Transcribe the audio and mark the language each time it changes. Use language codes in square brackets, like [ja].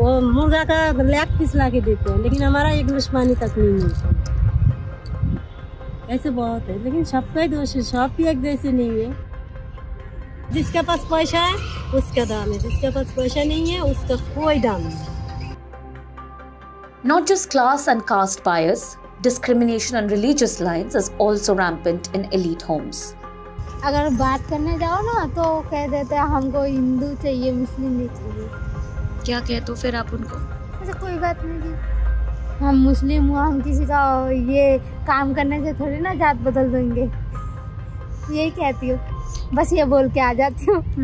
[hi] वो मुर्गा का लैक पीस ला के देते हैं, लेकिन हमारा एक दुश्मनी तक नहीं मिलता, ऐसे बहुत है। लेकिन सबका ही दोष है, सब एक जैसे नहीं है। जिसके पास पैसा है उसका दाम है, जिसके पास पैसा नहीं है उसका कोई दाम नहीं। [en] Not just class and caste bias, discrimination on religious lines is also rampant in elite homes. [hi] अगर बात करने जाओ ना तो कह देते हैं हमको हिंदू चाहिए मुस्लिम नहीं चाहिए। क्या कहते हो फिर आप उनको? ऐसे कोई बात नहीं जी, हम मुस्लिम हुआ हम किसी का ये काम करने से थोड़ी ना जात बदल देंगे। यही कहती हूँ, बस ये बोल के आ जाती हूँ।